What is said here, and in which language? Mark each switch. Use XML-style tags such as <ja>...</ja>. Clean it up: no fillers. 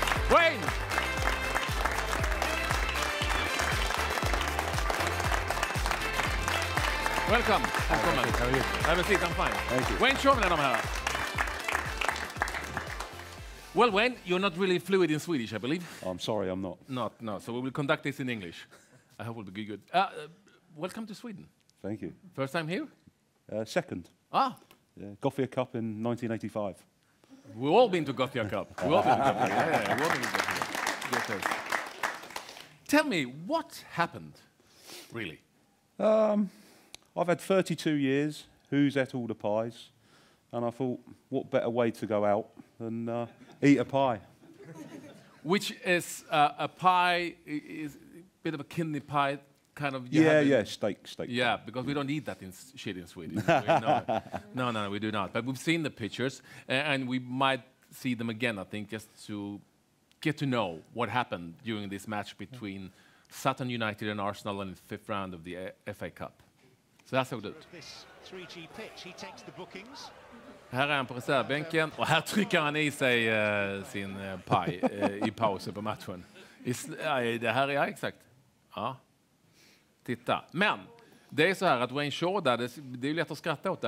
<en>Wayne! Welcome!</en> <sv>Välkommen!</sv> <en>Have a seat, I'm fine. Thank you.</en> <sv>Wayne Shaw, mina damer och herrar.</sv> <en>Well, Wayne, you're not really fluid in Swedish, I believe. I'm sorry, I'm not. Not, no. So we will conduct this in English. I hope it will be good. Welcome to Sweden. Thank you. First time here? Second. Ah. Yeah, Gothia Cup in 1985. We've all been to Gothia Cup. We've all been to Gothia Cup. Tell me, what happened, really? I've had 32 years. Who's at all the pies? And I thought, what better way to go out than eat a pie? Which is a pie, is a bit of a kidney pie, kind of. Steak. Yeah, because we don't eat that shit in Sweden. No, we do not. But we've seen the pictures, and we might see them again, I think, just to get to know what happened during this match between Sutton United and Arsenal in the fifth round of the FA Cup. So that's how we do it. This 3G pitch, he takes the bookings.</en> <sv>Här är han på reservbänken och här trycker han i sig sin paj i pausen på matchen. Det här är jag exakt. Ja, titta. Men det är så här att Wayne Shaw, där, det är lätt att skratta åt det.</sv>